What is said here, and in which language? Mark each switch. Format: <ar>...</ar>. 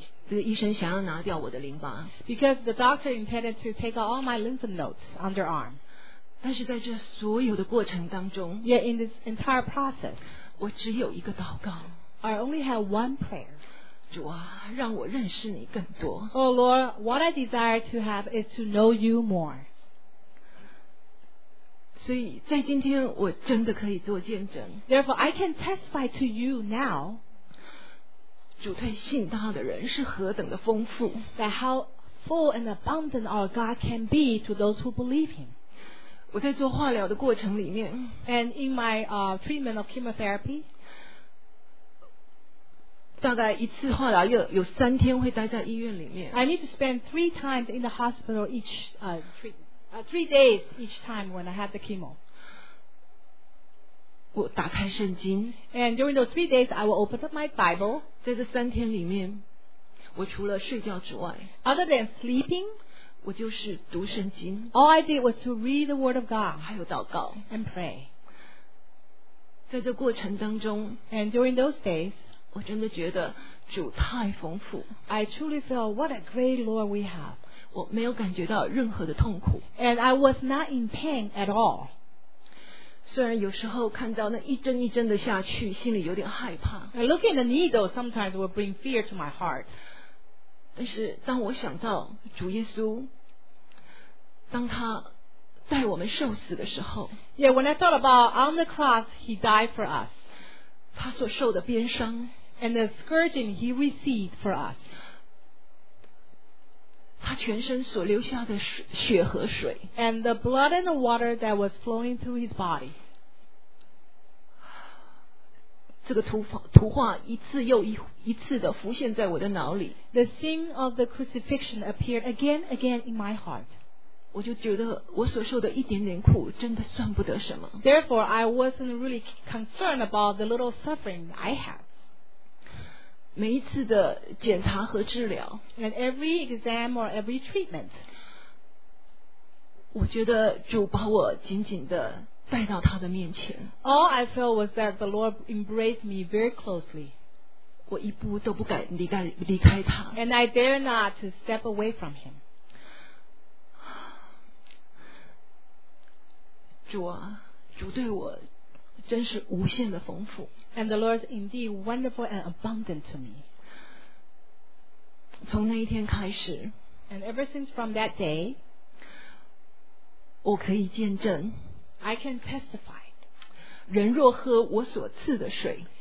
<zh>这个医生想要拿掉我的淋巴。</zh> <en>Because the doctor intended to take out all my lymph nodes underarm.</en> <zh>但是在这所有的过程当中</zh> <en>Yet in this entire process,</en> <zh>我只有一个祷告。</zh> <en>I only had one prayer.</en> <zh>主啊，让我认识你更多。</zh> <en>Oh Lord, what I desire to have is to know you more.</en> <zh>所以在今天我真的可以做见证</zh> <en>Therefore I can testify to you now</en> <zh>主对信他的人是何等的丰富</zh> <en>That how full and abundant our God can be to those who believe him</en> <zh>我在做化疗的过程里面</zh> <en>And in my treatment of chemotherapy</en> <zh>大概一次化疗 有三天会待在医院里面</zh> <en>I need to spend three times in the hospital each treatment3 days each time when I have the chemo.</en> <zh>我打开圣经。</zh> <en>And during those 3 days, I will open up my Bible.</en> <zh>在这三天里面，我除了睡觉之外</zh> <en>，other than sleeping,</en> <zh>我就是读圣经。</zh> <en>All I did was to read the Word of God.</en> <zh>还有祷告。</zh> <en>And pray.</en> <zh>在这过程当中</zh> <en>，And during those days,</en> <zh>我真的觉得主太丰富。</zh> <en>I truly feel what a great Lord we have.</en> <zh>我没有感觉到任何的痛苦</zh> <en>And I was not in pain at all</en> <zh>虽然有时候看到那一针一针的下去心里有点害怕</zh> <en>And looking at the needle sometimes will bring fear to my heart</en> <zh>但是当我想到主耶稣当他在我们受死的时候</zh> <en>Yeah, when I thought about on the cross he died for us</en> <zh>他所受的鞭伤</zh> <en>And the scourging he received for us</en> <zh>他全身所流下的血和水</zh> <en>and the blood and the water that was flowing through his body</en> <zh>这个图画一次又一次的浮现在我的脑里</zh> <en>the scene of the crucifixion appeared again and again in my heart</en> <zh>我就觉得我所受的一点点苦真的算不得什么</zh> <en>therefore I wasn't really concerned about the little suffering I had</en> <zh>每一次的检查和治疗</zh> <en>and every exam or every treatment</en> <zh>我觉得主把我紧紧地带到他的面前</zh> <en>all I felt was that the Lord embraced me very closely</en> <zh>我一步都不敢离开他</zh> <en>and I dare not to step away from him</en> <zh>主啊主对我真是无限的丰富</zh> <en>And the Lord is indeed wonderful and abundant to me</en> <zh>从那一天开始</zh> <en>And ever since from that day</en> <zh>我可以见证</zh> <en>I can testify</en> <zh>人若喝我所赐的水</zh>